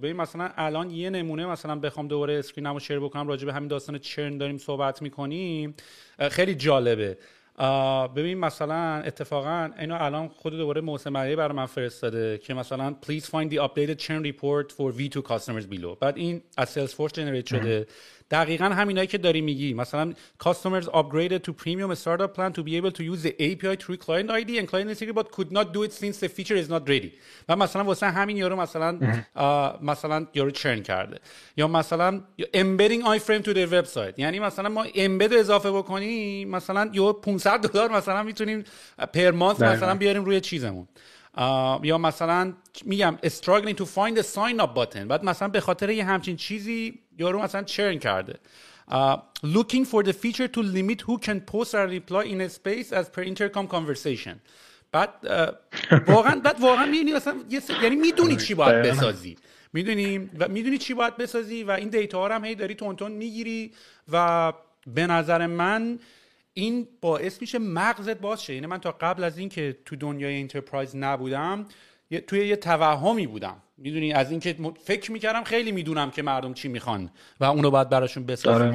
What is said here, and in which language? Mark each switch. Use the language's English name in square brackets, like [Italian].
[Persian] ببین مثلا الان یه نمونه مثلا بخوام دوباره اسکرینمو شیر بکنم راجع به همین داستان چرن داریم صحبت میکنیم، خیلی جالبه. ببین مثلا اتفاقا اینو الان خود دوباره محسن ملایری برای من فرستاده که مثلا [English] please find the updated churn report for V2 customers below. [Persian] بعد این از سیلز فورس جنریت شده. دقیقا همینایی که داری میگی، مثلا [English] customers upgraded to premium startup plan to be able to use the API through client ID and client integrity but could not do it since the feature is not ready. [Persian] و مثلا واسه همین یارو مثلا یارو چرن کرده، یا مثلا [English] embedding iframe to their website، [Persian] یعنی مثلا ما embed اضافه بکنی مثلا یه $500 مثلا میتونیم پر مانس مثلا بیاریم روی چیزمون، یا مثلا میگم [English] struggling to find the sign up button، [Persian] بعد مثلا به خاطر یه همچین چیزی یارو مثلا چرن کرده. [English] Looking for the feature to limit who can post or reply in a space as per intercom conversation. [Persian] بعد واقعا میبینی مثلا یعنی میدونی چی باید بسازی، میدونی و میدونی چی باید بسازی و این دیتا ها هم هی داری تون تون میگیری و به نظر من این باعث میشه مغزت باز شه. یعنی من تا قبل از این که تو دنیای انترپرایز نبودم توی یه توهمی بودم، میدونی، از این که فکر میکردم خیلی میدونم که مردم چی میخوان و اونو باید براشون بسازم.